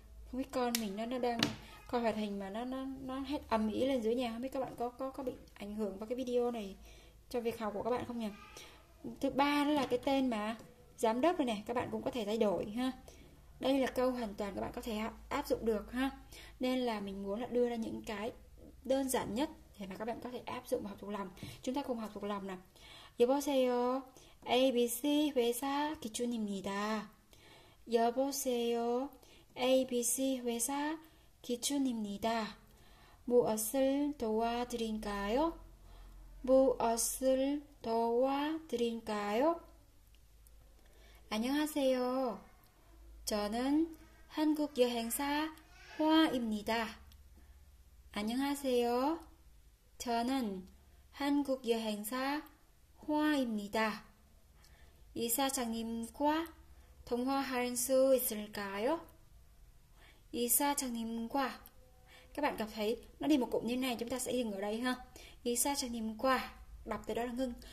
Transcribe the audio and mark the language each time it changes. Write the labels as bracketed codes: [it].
[vi] Không biết con mình nó đang coi hoạt hình mà nó hết ầm ĩ lên dưới nhà, không biết các bạn có bị ảnh hưởng vào cái video này cho việc học của các bạn không nhỉ. Thứ ba đó là cái tên mà giám đốc này nè, các bạn cũng có thể thay đổi ha. Đây là câu hoàn toàn các bạn có thể áp dụng được ha, nên là mình muốn là đưa ra những cái đơn giản nhất để mà các bạn có thể áp dụng và học thuộc lòng. Chúng ta cùng học thuộc lòng nào. [ko] 여보세요. ABC 회사 기준입니다. 여보세요. ABC 회사 기준입니다. 무엇을 도와드릴까요? 무엇을 도와드릴까요? 안녕하세요. 저는 한국 여행사 화입니다. 안녕하세요. 저는 한국 여행사 화입니다. 이사장님과 통화할 수 있을까요? 이사장님과 [vi] các bạn cảm thấy nó đi một cụm như này chúng ta sẽ dừng ở đây ha. [ko] 이사장님과 [vi] đọc từ đó là ngưng.